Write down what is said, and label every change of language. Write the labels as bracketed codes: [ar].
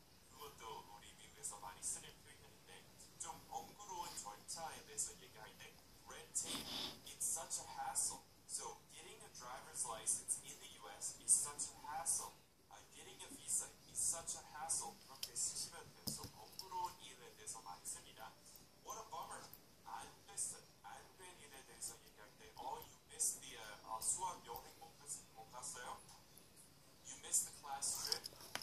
[ko] 그것도 우리 미국에서 많이 쓰는 표현인데 좀 번거로운 절차에 대해서 얘기할 때 red tape. [en] It's such a hassle. So getting a driver's license in the U.S. is such a hassle. Getting a visa is such a hassle. [ko] 그렇게 쓰시면 돼요. 번거로운 일에 대해서 많이 씁니다. [en] What a bummer. [ko] 안된 일에 대해서 얘기할 때, [en] you missed the [ko] 수학 여행 못 갔어요? [en] You missed the class trip.